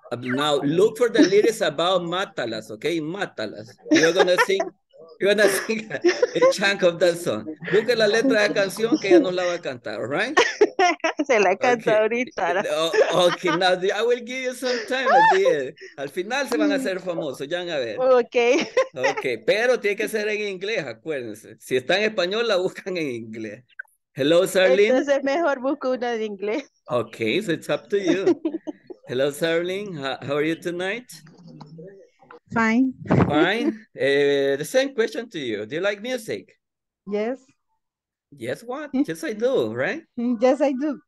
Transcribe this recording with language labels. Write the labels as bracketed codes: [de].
[en] Now look for the lyrics about mátalas, okay? Mátalas. You're gonna sing a chunk of that song. Look at [es] la letra de la canción que ella no la va a cantar, [en] all right? [es] Se la canta ahorita. [en] Okay, now I will give you some time at the end. [es] Al final se van a hacer famosos, ya van a ver. [en] Okay. [es] Okay, pero tiene que ser en inglés, acuérdense. Si está en español, la buscan en inglés. [en] Hello, Sarlene. [es] Entonces mejor busco una de inglés. [en] Okay, so it's up to you. Hello, Sarlene. How are you tonight? Fine. Fine. The same question to you. Do you like music? Yes. Yes, what? Yes, I do, right? Yes, I do.